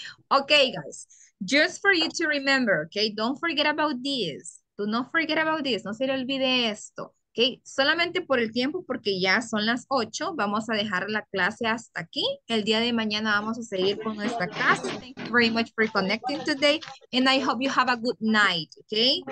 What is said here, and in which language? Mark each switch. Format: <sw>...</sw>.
<en>Okay, guys, just for you to remember, okay? Don't forget about this. Do not forget about this.</en> <es>No se le olvide esto. Okay, solamente por el tiempo, porque ya son las 8, vamos a dejar la clase hasta aquí. El día de mañana vamos a seguir con nuestra clase.</es> <en>Thank you very much for connecting today. And I hope you have a good night, okay?</en>